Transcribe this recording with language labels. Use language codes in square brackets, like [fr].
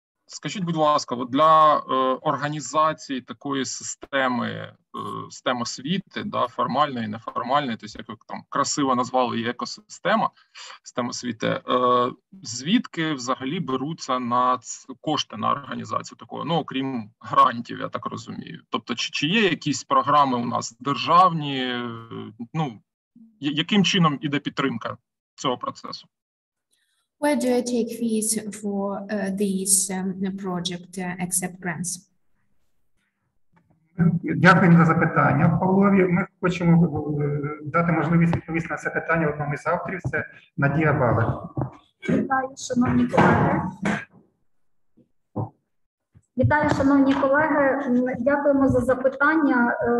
[uk] Скажіть, будь ласка, для організації такої системи, системи освіти, да, формальної, неформальної, тобто, як ви там красиво назвали її екосистема, система освіти, звідки взагалі беруться на кошти на організацію такого? Ну, окрім грантів, я так розумію. Тобто, чи є якісь програми у нас державні, ну, яким чином іде підтримка цього процесу? [en] Where do I take fees for these project except grants? [uk] Дякую за запитання, Павлові. Ми хочемо дати можливість відповісти на це питання одному із авторів. Це Надія Бабе. Вітаю, шановні колеги. Вітаю, шановні колеги. Дякуємо за запитання.